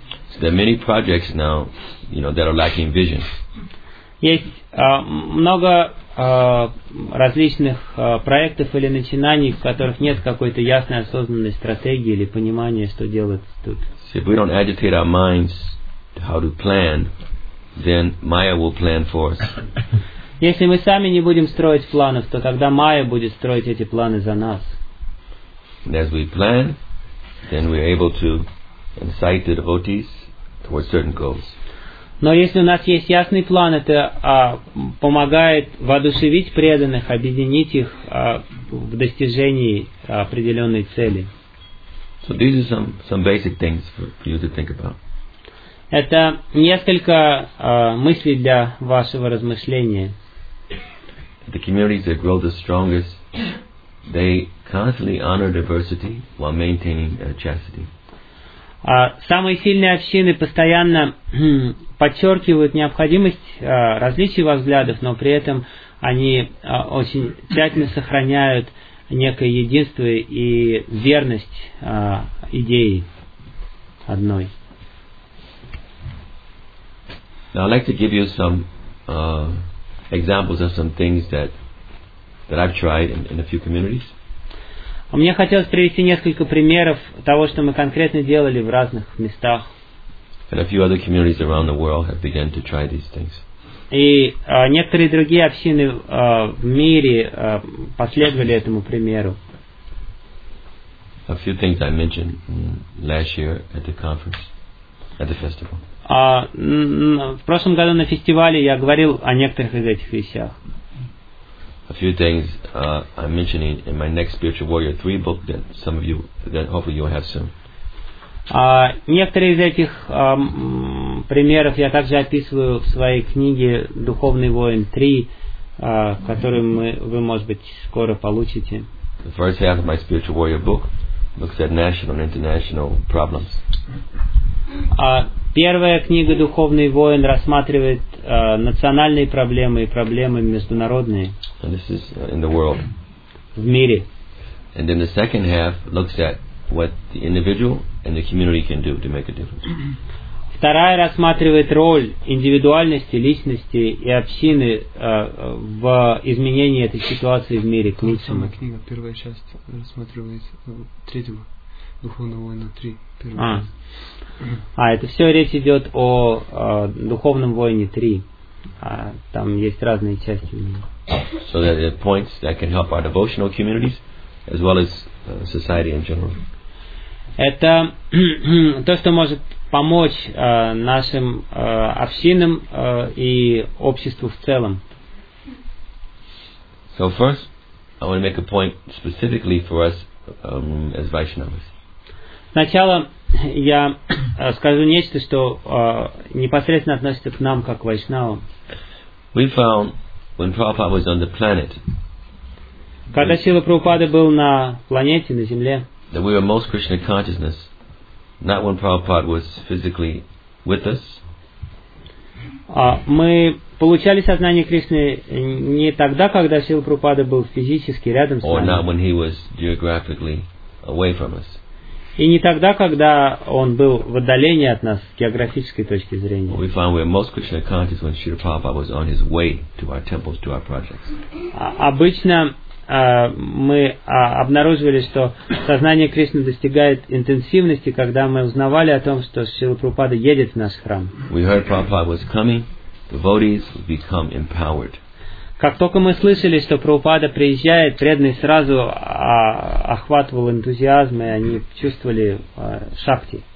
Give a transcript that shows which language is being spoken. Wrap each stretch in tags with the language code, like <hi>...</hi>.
<en>So there are many projects now, you know, that are lacking vision.</en> <ru>Есть много различных проектов или начинаний, в которых нет какой-то ясной осознанной стратегии или понимания, что делать тут.</ru> <en>So if we don't agitate our minds how to plan, then Maya will plan for us.</en> <ru>Если мы сами не будем строить планов, то тогда Майя будет строить эти планы за нас.</ru> <en>As we plan, then we're able to incite the devotees towards certain goals.</en> <ru>Но если у нас есть ясный план, это помогает воодушевить преданных, объединить их в достижении определенной цели.</ru> <en>So these are some basic things for you to think about.</en> <ru>Это несколько мыслей для вашего размышления.</ru> <en>The communities that grow the strongest, they constantly honor diversity while maintaining chastity.</en> <ru>Самые сильные общины постоянно подчеркивают необходимость различий взглядов, но при этом они очень тщательно сохраняют некое единство и верность идеи одной.</ru> <en>Now I'd like to give you some examples of some things that I've tried in a few communities.</en> <ru>Мне хотелось привести несколько примеров того, что мы конкретно делали в разных местах.</ru> <en>And a few other communities around the world have begun to try these things.</en> <ru>И некоторые другие общины в мире последовали этому примеру.</ru> <en>A few things I mentioned last year at the conference, at the festival.</en> <ru>В прошлом году на фестивале я говорил о некоторых из этих вещах.</ru> <en>A few things I'm mentioning in my next Spiritual Warrior 3 book that some of you, that hopefully you'll have soon.</en> <ru>Некоторые из этих примеров я также описываю в своей книге «Духовный воин 3», которую вы, может быть, скоро получите.</ru> <en>The first half of my Spiritual Warrior book looks at national and international problems.</en> <ru>Первая книга «Духовный воин» рассматривает национальные проблемы и проблемы международные.</ru> <en>And this is in the world.</en> <ru>В мире.</ru> <en>And then the second half looks at what the individual and the community can do to make a difference.</en> <ru>Вторая рассматривает роль индивидуальности, личности и общины в изменении этой ситуации в мире. Самая книга, первая часть рассматривает третьего «Духовного воина 3». Это все речь идет о «Духовном воине 3». Там есть разные части.</ru> <en>So there are points that can help our devotional communities as well as society in general.</en> <ru>Это то, что может помочь нашим общинам и обществу в целом.</ru> <en>So first, I want to make a point specifically for us as Vaishnavas.</en> <ru>Сначала я скажу нечто, что непосредственно относится к нам, как к вайшнавам.</ru> <en>We found when Prabhupada was on the planet.</en> <ru>Когда Шрила Прабхупада был на планете, на Земле.</ru> <en>That we were most Krishna consciousness, not when Prabhupada was physically with us.</en> <ru>Мы получали сознание Кришны не тогда, когда Шрила Прабхупада был физически рядом с нами.</ru> <en>Or not when he was geographically away from us.</en> <ru>И не тогда, когда он был в отдалении от нас с географической точки зрения. Обычно мы обнаруживали, что сознание Кришны достигает интенсивности, когда мы узнавали о том, что Шрила Прабхупада едет в наш храм.</ru> <en>We heard Prabhupada was coming, devotees would become empowered.</en> <ru>Как только мы слышали, что Прабхупада приезжает, преданные сразу охватывал энтузиазм, и они чувствовали шакти.</ru>